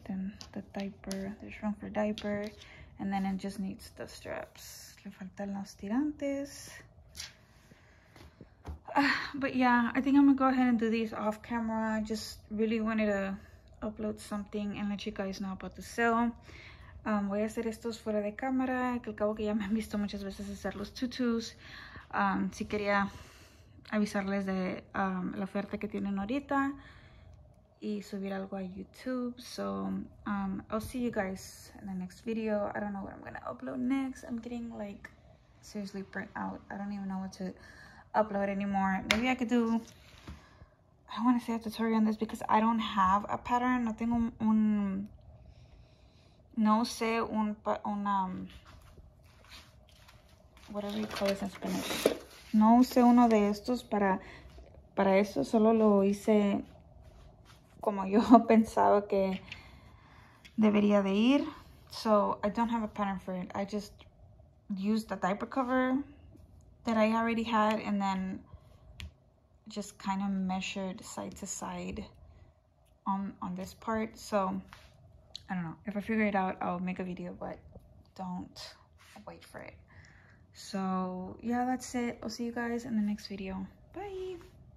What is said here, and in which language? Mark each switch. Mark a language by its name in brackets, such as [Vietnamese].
[English] Then the diaper. There's room for diaper. And then it just needs the straps. [Spanish] Le faltan los tirantes. [English] But yeah, I think I'm going to go ahead and do these off camera. I just really wanted to upload something and let you guys know about the sale. [Spanish] Voy a hacer estos fuera de cámara. Que al cabo que ya me han visto muchas veces hacer los tutus. Si quería avisarles de la oferta que tienen ahorita. Y subir algo a YouTube. [English] So I'll see you guys in the next video. I don't know what I'm gonna upload next. I'm getting like seriously burnt out. I don't even know what to upload anymore. Maybe I could do, I want to say a tutorial on this, because I don't have a pattern. [Spanish] No tengo [English] whatever you call this in Spanish. [Spanish] No usé uno de estos para eso. Solo lo hice como yo pensaba que debería de ir. [English] So I don't have a pattern for it. I just used the diaper cover that I already had, and then just kind of measured side to side on this part. So I don't know. If I figure it out, I'll make a video, but don't wait for it. So yeah, that's it. I'll see you guys in the next video. Bye.